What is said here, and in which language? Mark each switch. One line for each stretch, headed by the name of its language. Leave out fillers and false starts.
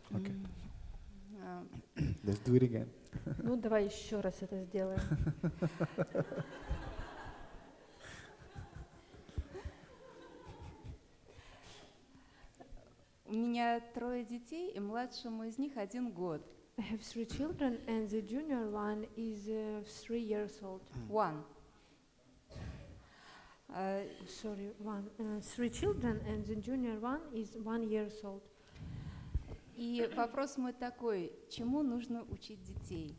English: Okay. Let's do it again.
Russian: Ну давай еще раз это сделаем. У меня трое детей, и младшему из них 1 год.
English: I have 3 children, and the junior one is 3 years old. One. Sorry, one. 3 children, and the junior one is 1 year old.
Russian: И вопрос мой такой: чему нужно учить детей?